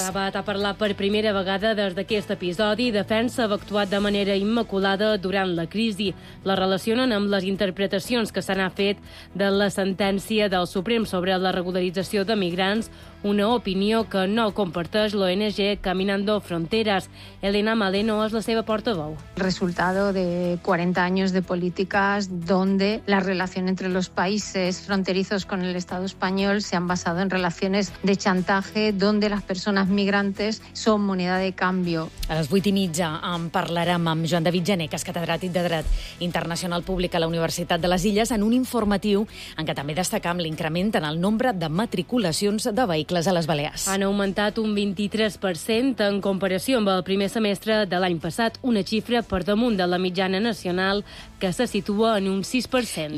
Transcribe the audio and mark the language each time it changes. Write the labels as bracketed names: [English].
[Catalan] Rabat ha parlat per primera vegada des d'aquest episodi. Defensa ha actuat de manera immaculada durant la crisi. La relacionen amb les interpretacions que s'han fet de la sentència del Suprem sobre la regularització de migrants, una opinió que no comparteix l'ONG Caminando Fronteras. Elena Maleno és la seva portaveu. [Spanish] Resultado de 40 años de políticas donde la relación entre los países fronterizos con el Estado español se han basado en relaciones de chantaje donde las personas migrantes son moneda de cambio. [Catalan] A les 8 i mitja en parlarem amb Joan David Gené, que és catedràtic de Dret Internacional Públic a la Universitat de les Illes, en un informatiu en què també destacam l'increment en el nombre de matriculacions de vehicles a les Balears. Han augmentat un 23% en comparació amb el primer semestre de l'any passat, una xifra per damunt de la mitjana nacional que se situa en un 6%.